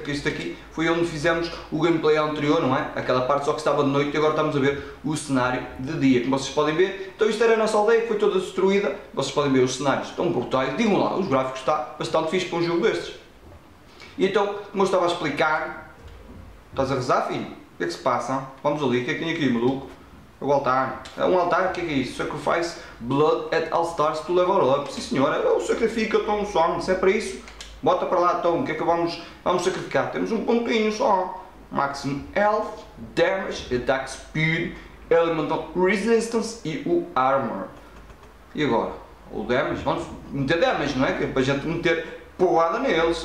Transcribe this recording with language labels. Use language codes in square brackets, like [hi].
[pt] Porque isto aqui foi onde fizemos o gameplay anterior, não é? Aquela parte só que estava de noite e agora estamos a ver o cenário de dia. Como vocês podem ver, então isto era a nossa aldeia que foi toda destruída. Vocês podem ver os cenários estão brutais. Digam lá, os gráficos está bastante fixe para um jogo destes. E então, como eu estava a explicar... Estás a rezar, filho? O que é que se passa? Vamos ali, o que é que tem aqui, maluco? É o altar. É um altar? O que é isso? [en] Sacrifice blood at all stars to level up. [pt] Sim senhora, é o sacrifício que eu estou no sono. Se é para isso, bota para lá então. O que é que vamos sacrificar? Temos um pontinho só. [en] Maximum health, damage, attack speed, elemental resistance [pt] e o armor. E agora? O damage? Vamos meter damage, não é? Que é para a gente meter porrada neles.